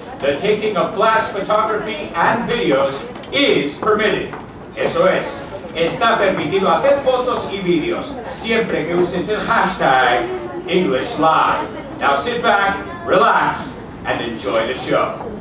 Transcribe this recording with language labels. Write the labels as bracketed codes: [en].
[en] The taking of flash photography and videos is permitted. [es] Eso es. Está permitido hacer fotos y videos siempre que uses el hashtag English Live. [en] Now sit back, relax, and enjoy the show.